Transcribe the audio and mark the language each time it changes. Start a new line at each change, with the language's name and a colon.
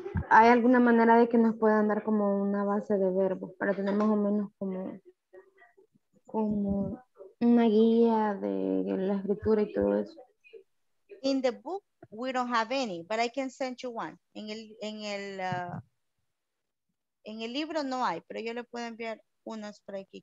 Spanish: ¿Hay alguna manera de que nos puedan dar como una base de verbos para tener más o menos como, una guía de la escritura y todo eso?
English: In the book, we don't have any, but I can send you one.
Spanish: En el libro no hay, pero yo le puedo enviar unos por aquí.